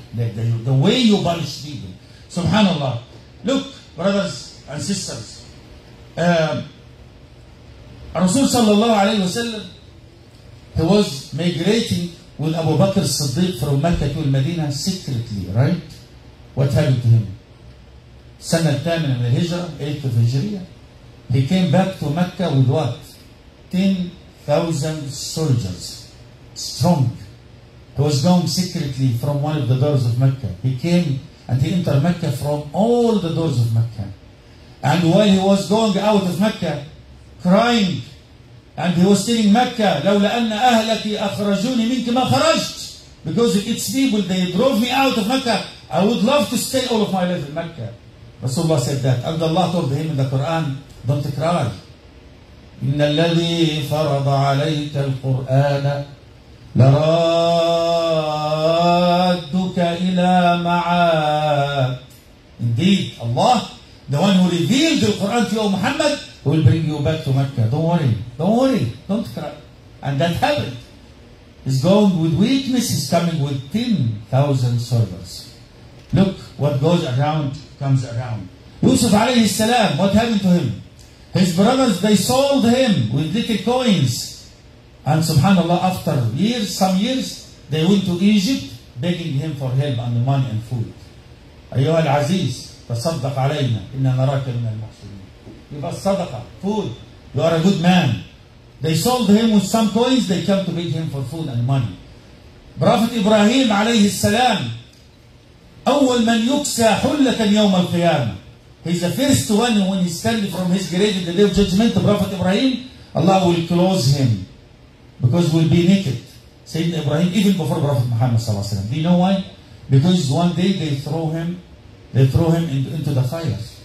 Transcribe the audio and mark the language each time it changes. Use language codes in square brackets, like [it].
[en] The way you punish people. Subhanallah. Look, brothers and sisters. Rasul sallallahu alayhi wa sallam, he was migrating with Abu Bakr al-Siddiq from Mecca to Medina secretly, right? What happened to him? [ar] سنة الثامنة من الهجرة, [en] 8th of Hijriya. He came back to Mecca with what? 10,000 soldiers, strong. He was going secretly from one of the doors of Mecca. He came and he entered Mecca from all the doors of Mecca. And while he was going out of Mecca, crying, and he was telling Mecca, [ar] لولا أن أهلكي أخرجوني منك ما خرجت. [en] Because if it's people, they drove me out of Mecca, I would love to stay all of my life in Mecca. Rasulullah said that. And Allah told him in the Quran, don't cry. [ar] إن الذي فرض عليك القرآن لرادك إلى معاد. [en] Indeed, Allah, the one who revealed the Quran to you, Muhammad, will bring you back to Mecca. Don't worry, don't worry, don't cry. And that happened. He's going with weakness, he's coming with 10,000 soldiers. Look, what goes around comes around. Yusuf عليه السلام, what happened to him? His brothers, they sold him with little coins. And subhanAllah, after years, some years, they went to Egypt begging him for help and money and food. [ar] أيها العزيز, تصدق علينا إن نراك من المحسنين. [en] Give us sadaqah, food. You are a good man. They sold him with some coins, they came to beg him for food and money. [ar] Prophet Ibrahim عليه السلام, أول من يكسى حلة يوم القيامة. [en] He's the first one when he standing from his grave in the day of judgment, Prophet Ibrahim, Allah will close him because we'll be naked. Sayyidina Ibrahim, even before Prophet Muhammad sallallahu alaihi wasallam. Do you know why? Because one day they throw him into the fire.